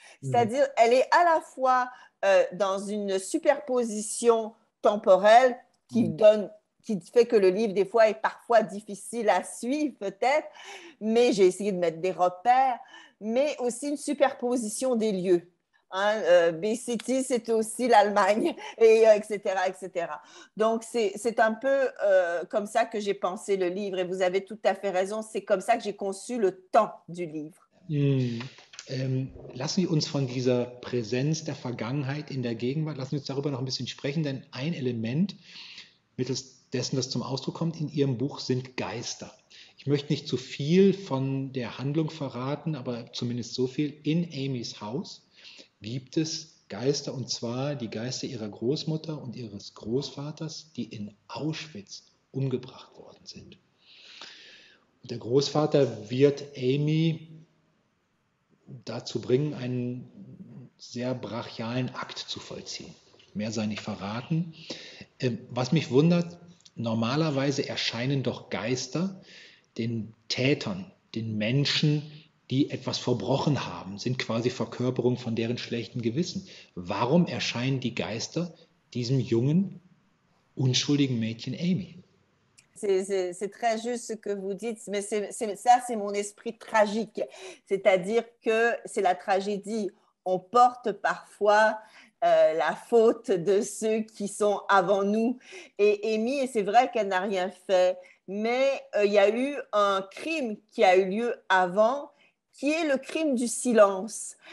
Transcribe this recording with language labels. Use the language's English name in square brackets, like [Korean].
[French] C'est-à-dire, elle est à la fois dans une superposition temporelle qui fait que le livre, des fois, est parfois difficile à suivre, peut-être, mais j'ai essayé de mettre des repères, mais aussi une superposition des lieux. Hein, Bay City, c'est aussi l'Allemagne, et etc., etc. Donc, c'est un peu comme ça que j'ai pensé le livre, et vous avez tout à fait raison, c'est comme ça que j'ai conçu le temps du livre. [German] Lassen Sie uns von dieser Präsenz der Vergangenheit in der Gegenwart, lassen Sie uns darüber noch ein bisschen sprechen, denn ein Element, mittels dessen das zum Ausdruck kommt, in Ihrem Buch sind Geister. Ich möchte nicht zu viel von der Handlung verraten, aber zumindest so viel in Amys Haus. Gibt es Geister, und zwar die Geister ihrer Großmutter und ihres Großvaters, die in Auschwitz umgebracht worden sind. Und der Großvater wird Amy dazu bringen, einen sehr brachialen Akt zu vollziehen. Mehr sei nicht verraten. Was mich wundert, normalerweise erscheinen doch Geister den Tätern, den Menschen, die etwas verbrochen haben, sind quasi Verkörperung von deren schlechten Gewissen. Warum erscheinen die Geister diesem jungen, unschuldigen Mädchen Amy? [French] C'est très juste ce que vous dites, mais c'est mon esprit tragique. C'est-à-dire que c'est la tragédie. On porte parfois la faute de ceux qui sont avant nous. Et Amy, c'est vrai qu'elle n'a rien fait, mais il y a eu un crime qui a eu lieu avant, qui est le crime du silence.